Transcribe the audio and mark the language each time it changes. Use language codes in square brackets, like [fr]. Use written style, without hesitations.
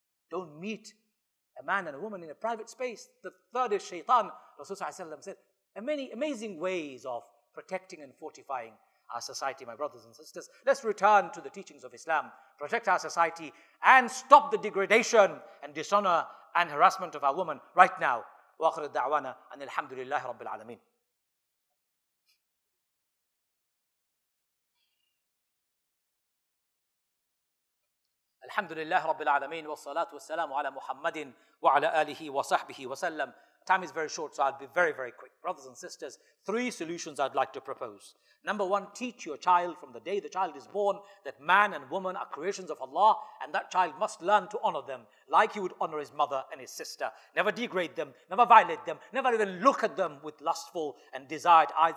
[en] Don't meet a man and a woman in a private space. The third is shaitan. Rasulullah said, and many amazing ways of protecting and fortifying our society, my brothers and sisters. Let's return to the teachings of Islam. Protect our society and stop the degradation and dishonor and harassment of our woman right now. [ar] وَآخِرَ الدَّعْوَانَا أَنِ الْحَمْدُ لِلَّهِ رَبِّ الْعَالَمِينَ الحمد لله رب العالمين والصلاة والسلام على محمد وعلى آله وصحبه وسلم. [en] Time is very short, so I'll be very, very quick. Brothers and sisters, three solutions I'd like to propose. Number one, teach your child from the day the child is born that man and woman are creations of Allah, and that child must learn to honor them like he would honor his mother and his sister. Never degrade them, never violate them, never even look at them with lustful and desired eyes.